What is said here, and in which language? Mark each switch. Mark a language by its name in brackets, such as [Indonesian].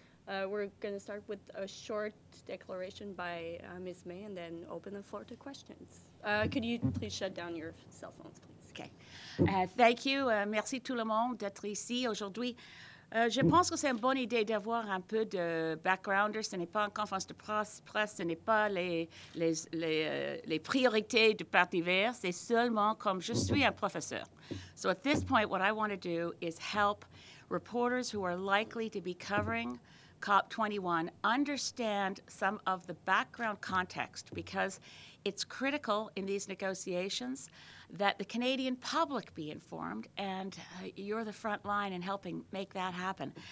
[English] We're going to start with a short declaration by Ms. May and then open the floor to questions. Could you please shut down your cell phones, please? Okay. Thank you. [French] Merci tout le monde d'être ici aujourd'hui. Je pense que c'est une bonne idée d'avoir un peu de background. Ce n'est pas une conférence de presse, ce n'est pas les priorités du parti vert, c'est seulement comme je suis un professeur. [English] So at this point, what I want to do is help reporters who are likely to be covering COP21 understand some of the background context, because it's critical in these negotiations that the Canadian public be informed, and you're the front line in helping make that happen.